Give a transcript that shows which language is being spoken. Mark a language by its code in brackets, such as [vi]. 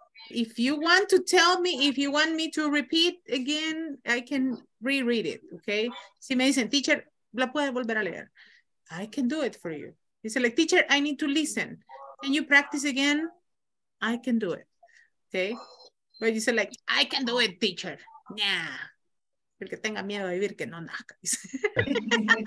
[en] If you want to tell me, if you want me to repeat again, I can reread it, okay? [es] Si me dicen, teacher, la puede volver a leer. [en] I can do it for you. You say, like, teacher, I need to listen. Can you practice again? I can do it. Okay, but you say like, I can do it, teacher. Nah. [es] El que tenga miedo a vivir, que no nazca.